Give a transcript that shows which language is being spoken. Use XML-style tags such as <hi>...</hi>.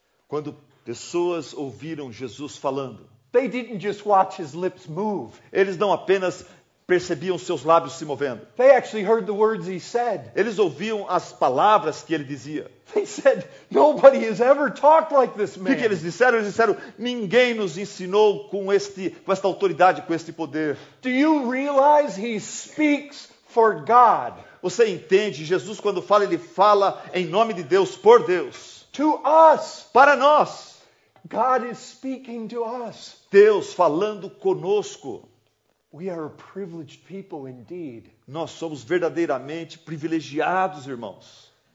<pt>Quando pessoas ouviram Jesus falando,</pt> <en>they didn't just watch his lips move.</en> <pt>Eles não apenas percebiam seus lábios se movendo.</pt> <en>They actually heard the words he said.</en> <pt>Eles ouviam as palavras que ele dizia.</pt> <en>They said, nobody has ever talked like this man.</en> <pt>O que eles disseram? Eles disseram, ninguém nos ensinou com esta autoridade, com este poder.</pt> <en>Do you realize he speaks for God?</en> <pt>Você entende? Jesus, quando fala, ele fala em nome de Deus, por Deus.</pt> <en>To us.</en> <pt>Para nós.</pt> <en>God is speaking to us.</en> <pt>Deus falando conosco.</pt> <en>We are a privileged people indeed.</en> <pt>Nós somos verdadeiramente privilegiados, irmãos.</pt>